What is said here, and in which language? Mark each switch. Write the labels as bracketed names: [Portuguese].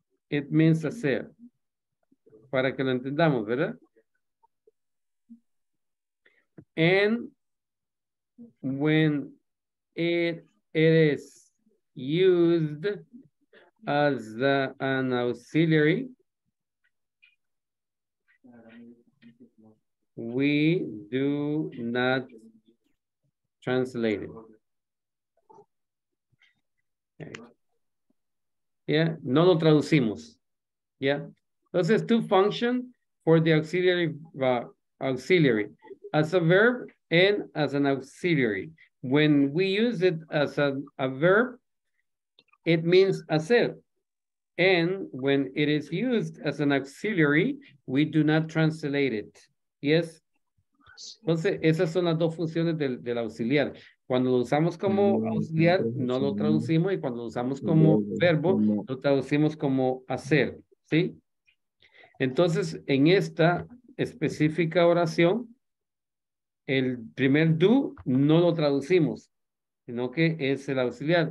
[English] It means [Spanish] hacer, para que lo entendamos, ¿verdad? [English] And when it is used as an auxiliary, we do not translate it. [Spanish] Okay. Yeah, no lo traducimos. [English] Yeah, [Spanish] entonces [English] two functions for the auxiliary. As a verb and as an auxiliary. When we use it as a verb, it means hacer. And when it is used as an auxiliary, we do not translate it. [Spanish] Yes? Entonces, esas son las dos funciones del auxiliar. Cuando lo usamos como auxiliar, no lo traducimos. Y cuando lo usamos como verbo, lo traducimos como hacer. ¿Sí? Entonces, en esta específica oración, el primer do no lo traducimos, sino que es el auxiliar.